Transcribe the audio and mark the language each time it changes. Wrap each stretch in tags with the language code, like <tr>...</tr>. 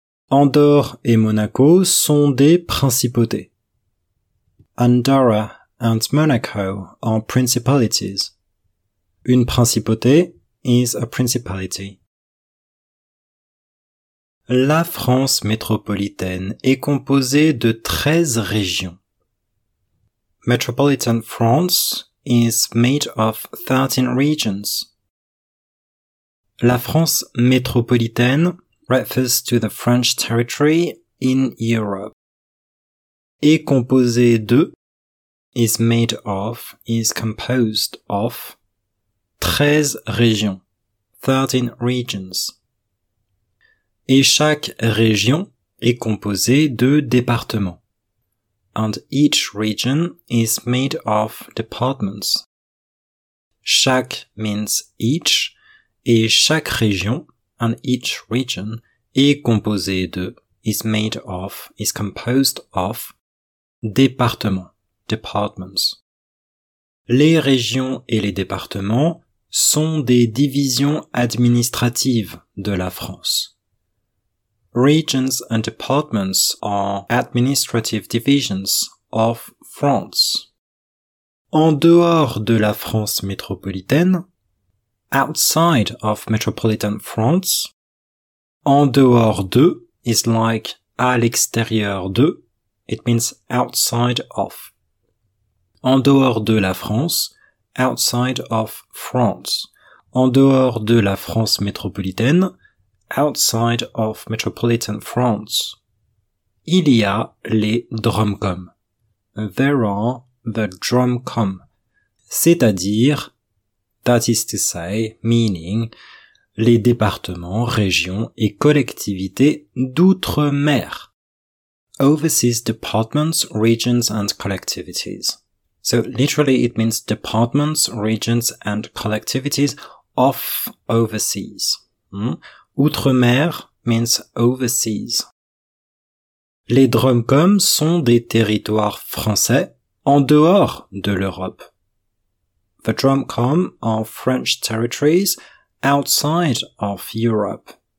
<fr>Andorre et Monaco sont des principautés.</fr> <en>Andorra and Monaco are principalities.</en> <fr>Une principauté</fr> <en>is a principality.</en> <fr>La France métropolitaine est composée de 13 régions.</fr> <en>Metropolitan France is made of 13 regions.</en> <fr>La France métropolitaine</fr> <en>refers to the French territory in Europe.</en> <fr>Est composée de,</fr> <en>is made of, is composed of,</en> <fr>13 régions,</fr> <en>13 regions.</en> <fr>Et chaque région est composée de départements.</fr> <en>And each region is made of departments. Chaque means each,</en> <fr>et chaque région,</fr> <en>and each region,</en> <fr>est composée de,</fr> <en>is made of, is composed of, départements, departments.</en> <fr>Les régions et les départements sont des divisions administratives de la France.</fr> <en>Regions and departments are administrative divisions of France.</en> <fr>En dehors de la France métropolitaine,</fr> <en>outside of metropolitan France,</en> <fr>en dehors de</fr> <en>is like</en> <fr>à l'extérieur de,</fr> <en>it means outside of.</en> <fr>En dehors de la France,</fr> <en>outside of France.</en> <fr>En dehors de la France métropolitaine,</fr> <en>outside of metropolitan France.</en> <fr>Il y a les DROMCOM.</fr> <en>There are the DROMCOM.</en> <fr>c'est-à-dire,</fr> <en>that is to say, meaning,</en> <fr>les départements, régions et collectivités d'outre-mer.</fr> <en>Overseas departments, regions and collectivities. So literally it means departments, regions and collectivities of overseas. Outre-mer means overseas.</en> <fr>Les DROMCOM sont des territoires français en dehors de l'Europe.</fr> <en>The DROMCOM are French territories outside of Europe.</en>